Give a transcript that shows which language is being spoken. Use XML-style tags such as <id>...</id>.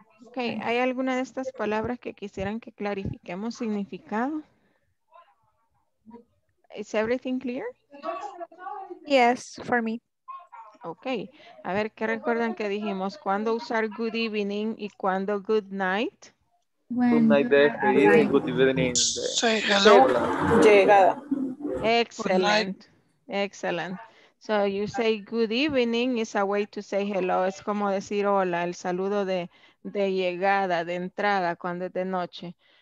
<es>Okay, ¿hay alguna de estas palabras que quisieran que clarifiquemos significado?</es> <en>Is everything clear? Yes, for me. Okay.</en> <es>A ver, ¿qué recuerdan que dijimos? ¿Cuándo usar good evening y cuándo good night?</es> <en>Good night, good evening.</en> <es>Llegada.</es> <en>Excellent. Excellent. So you say good evening is a way to say hello.</en> <es>Es como decir hola, el saludo de llegada, de entrada, cuando es de noche.</es>